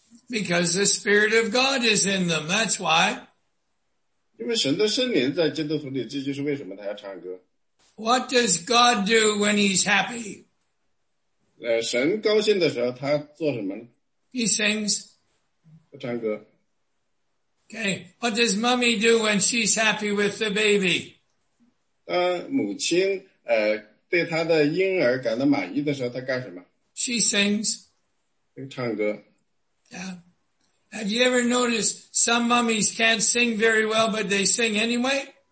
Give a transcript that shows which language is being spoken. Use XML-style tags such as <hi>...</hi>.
<en>Because the Spirit of God is in them, that's why.</en> <zh>因为神的圣灵在基督徒里，这就是为什么他要唱歌。</zh> <en>What does God do when he's happy?</en> <zh>神高兴的时候，他做什么呢？</zh> <en>He sings.</en> <zh>他唱歌。</zh> <en>Okay, what does mommy do when she's happy with the baby?</en> <zh>当母亲对她的婴儿感到满意的时候，她干什么？</zh> <en>She sings.</en> <zh>唱歌。</zh> <en>Yeah. Have you ever noticed some mummies can't sing very well, but they sing anyway?</en>